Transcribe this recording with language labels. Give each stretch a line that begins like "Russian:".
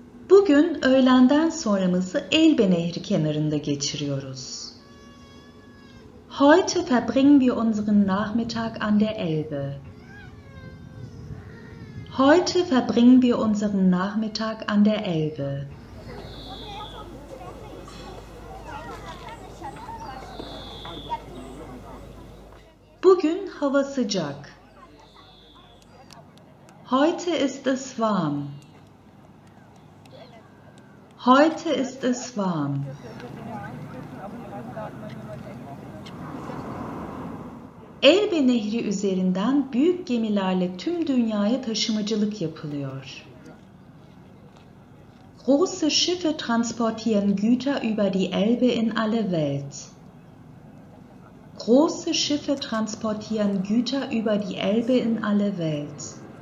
Turkish: Bugün öğlenden sonramızı Elbe Nehri kenarında geçiriyoruz.
German: Heute verbringen wir unseren Nachmittag an der Elbe. Heute verbringen wir unseren Nachmittag an der Elbe.
Turkish: Bugün hava sıcak.
German: Heute ist es warm. Heute ist es warm.
Turkish: Elbe Nehri üzerinden büyük gemilerle tüm dünyaya taşımacılık yapılıyor.
German: Große Schiffe transportieren Güter über die Elbe in alle Welt. Große Schiffe transportieren Güter über die Elbe in alle Welt.